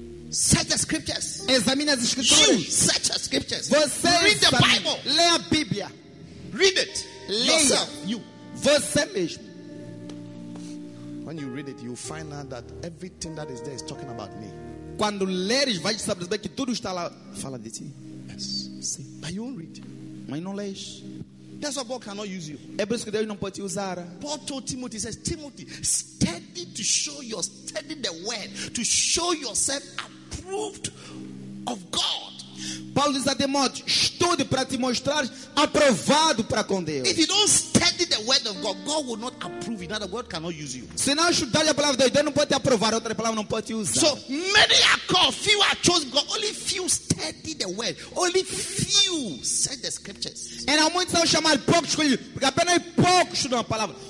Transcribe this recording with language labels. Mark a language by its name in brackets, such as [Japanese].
[English] Search the scriptures. [Portuguese] Examine as escrituras. [English] You search the scriptures. [Portuguese] Você [English] read the Bible. [Portuguese] Leia a Bíblia. [English] Read it. [Portuguese] Leia. [English] Yourself. You. [Portuguese] Você mesmo. [English] When you read it, you find out that everything that is there is talking about me. [Portuguese] Quando leres, vais saber que tudo está lá fala de ti. [English] Yes. [Portuguese] Sim. [English] But you won't read. [Portuguese] Mas não lês. [English] That's why Paul cannot use you. [Portuguese] É por isso que Deus não pode te usar. [English] Paul told Timothy, he says, Timothy, study to show your study the word, to show yourself approved of God. [Portuguese] Paulo diz a Timóteo, estude para te mostrar aprovado para com Deus. [English] If you don't study the word of God, God will not approve you. Another word cannot use you. [Portuguese] Se não estudar a palavra de Deus, Deus não pode te aprovar. Outra palavra não pode te usar. [English] So many are called, few are chosen. God, only few study the word. Only few set the scriptures. [Portuguese] E há muitos são chamados, poucos escolhidos, porque apenas poucos estudam a palavra.